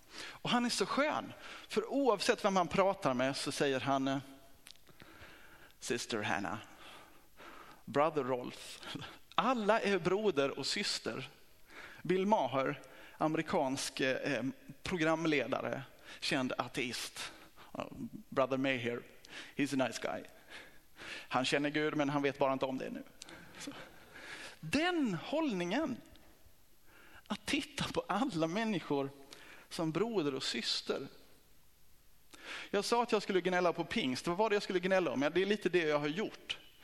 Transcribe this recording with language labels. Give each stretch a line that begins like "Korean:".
Swedish: Och han är så skön, för oavsett vem han pratar med så säger han: Sister Hannah, Brother Rolf, alla är broder och syster. Bill Maher, amerikansk programledare, känd ateist.
English: Brother Maher, he's a nice guy.
Swedish: Han känner Gud men han vet bara inte om det nu. Så. Den hållningen, att titta på alla människor som broder och syster. Jag sa att jag skulle gnälla på pingst. Vad var det jag skulle gnälla om? Ja, det är lite det jag har gjort.